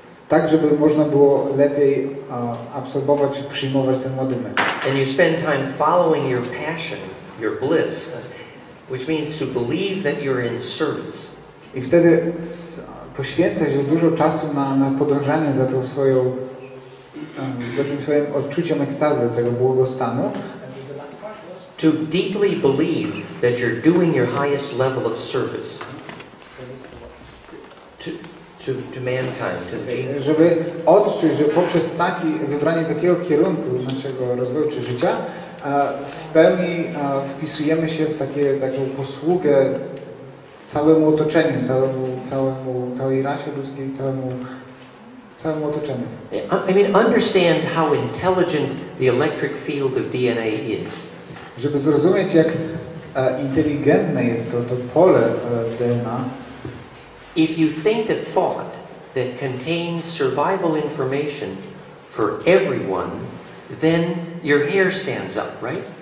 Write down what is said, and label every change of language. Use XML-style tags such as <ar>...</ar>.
<pl>Tak, żeby można było lepiej absorbować, przyjmować ten ładunek.</pl> <en>And you spend time following your passion, your bliss. Which means to believe that you're in service.</en> <pl>I wtedy poświęca się dużo czasu na podążanie za tą swoją, za tym swoim odczuciem ekstazy, tego błogostanu.</pl> <en>To deeply believe that you're doing your highest level of service. To mankind, to genius.</en> <pl>Żeby odczuć, że poprzez wybranie takiego kierunku naszego rozwoju czy życia, w pełni wpisujemy się w taką posługę całemu otoczeniu, całej rasie ludzkiej, całemu otoczeniu.</pl> <en>I mean, understand how intelligent the electric field of DNA is.</en> <pl>Żeby zrozumieć, jak inteligentne jest to pole DNA.</pl> <en>If you think a thought that contains survival information for everyone, then your hair stands up, right?</en>